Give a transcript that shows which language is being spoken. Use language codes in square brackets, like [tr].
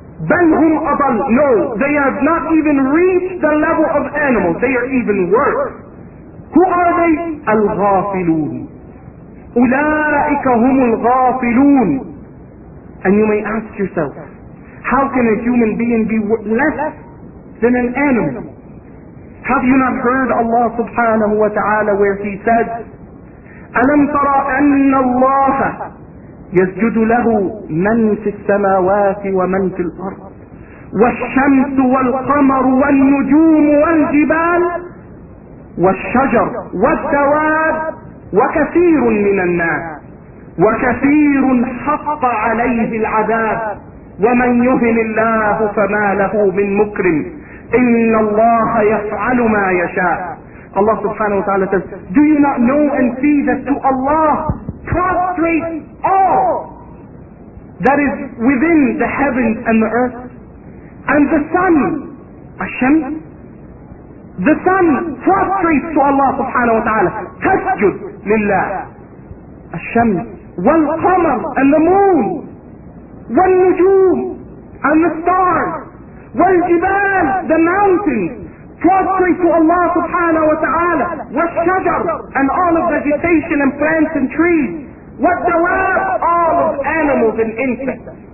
[ar] بل هم أضل, [en] no, they have not even reached the level of animals. They are even worse. Who are they? [ar] الغافلون. أولئك هم الغافلون. [en] And you may ask yourself, how can a human being be less than an animal? Have you not heard Allah subhanahu wa ta'ala where he said, [ar] أَلَمْ تَرَ أَنَّ اللَّهَ يَسْجُدُ لَهُ مَنْ فِي السَّمَاوَاتِ وَمَنْ فِي الْأَرْضِ وَالشَّمْسُ وَالْقَمَرُ وَالنُّجُومُ وَالْجِبَالُ وَالشَّجَرُ وَالدَّوَابُ وَكَثِيرٌ مِنَ النَّاسِ وكثير حق عليه العذاب ومن يهن الله فما له من مكرم إن الله يفعل ما يشاء. [en] Allah subhanahu wa ta'ala says, do you not know and see that to Allah prostrate all that is within the heavens and the earth, and the sun, Hashem, the sun prostrates to Allah subhanahu wa ta'ala, [ar] تسجد لله, [en] Hashem, [ar] والقمر [en] and the moon, [ar] والنجوم [en] and the stars, [ar] والجبال [en] the mountains, prostrate to Allah subhanahu wa ta'ala, [ar] والشجر [en] and all of vegetation and plants and trees, [ar] والدواب [en] all of animals and insects,